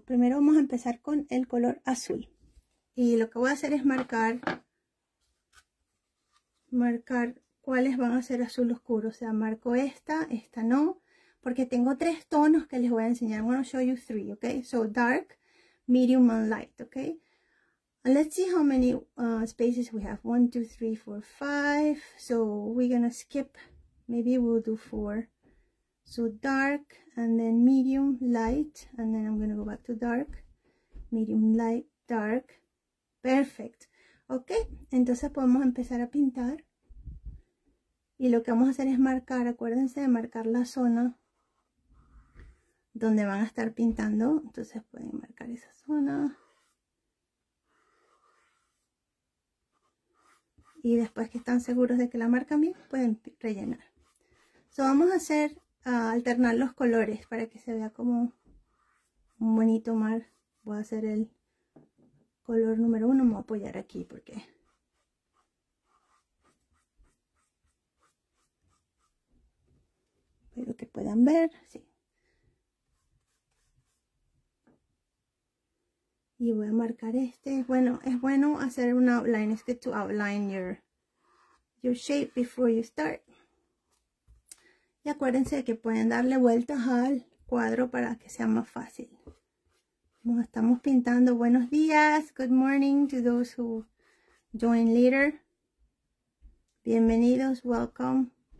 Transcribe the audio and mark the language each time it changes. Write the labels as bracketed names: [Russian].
[Spanish] Primero vamos a empezar con el color azul. Y lo que voy a hacer es marcar cuáles van a ser azul oscuro. O sea, marco esta no. Porque tengo tres tonos que les voy a enseñar. [English] I'm going to show you three, ok? So, dark, medium, and light, ok? And let's see how many spaces we have. 1, 2, 3, 4, 5. So, we're going to skip. Maybe we'll do 4. So dark, and then medium, light, and then I'm going to go back to dark, medium, light, dark, perfect. [Spanish] Ok, entonces podemos empezar a pintar. Y lo que vamos a hacer es marcar, acuérdense de marcar la zona donde van a estar pintando. Entonces pueden marcar esa zona. Y después que están seguros de que la marcan bien, pueden rellenar. So vamos a hacer... A alternar los colores para que se vea como un bonito mar. Voy a hacer el color número uno, me voy a apoyar aquí porque espero que puedan ver, sí. Y voy a marcar este. Bueno, es bueno hacer un outline. [English] Es good to outline your shape before you start. [Spanish] Y acuérdense que pueden darle vueltas al cuadro para que sea más fácil. Nos estamos pintando. Buenos días. [English] Good morning to those who join later. [Spanish] Bienvenidos. [English] Welcome.